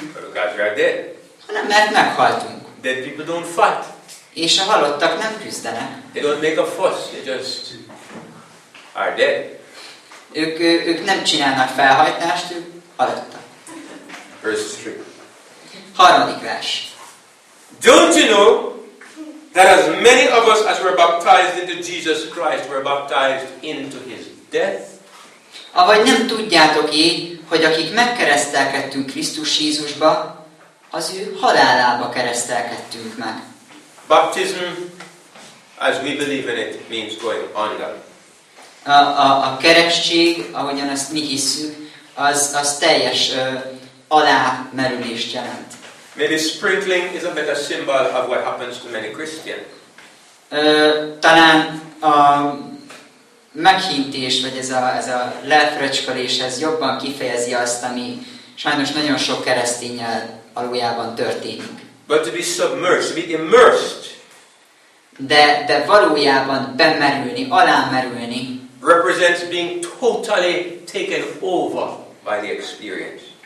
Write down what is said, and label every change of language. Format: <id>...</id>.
<en>But because we're dead.</en> <hu>Hanem mert meghaltunk.</hu> <en>Dead people don't fight.</en> <hu>És a halottak nem küzdenek.</hu> <en>They don't make a fuss. They just are dead.</en> <hu>Ők nem csinálnak felhajtást, ők halottak.</hu> <en>Verse 3.</en> <hu>Harmadik vers.</hu> <en>Don't you know that as many of us as were baptized into Jesus Christ were baptized into his death?</en> <hu>Avagy nem tudjátok-e, hogy akik megkeresztelkedtünk Krisztus Jézusba, az ő halálába keresztelkedtünk meg.</hu> <en>Baptism, as we believe in it, means going under.</en> <hu>A keresztség, ahogyan azt mi hiszük, az teljes alámerülést jelent.</hu> <en>Maybe sprinkling is a better symbol of what happens to many Christians.</en> <hu>Talán a meghintés, vagy ez a lefröcskölés, ez jobban kifejezi azt, ami sajnos nagyon sok keresztényel valójában történik.</hu> <en>But to be submerged, to be immersed.</en> <hu>De valójában bemerülni, alámerülni.</hu> <en>Represents being totally taken over by the experience.</en>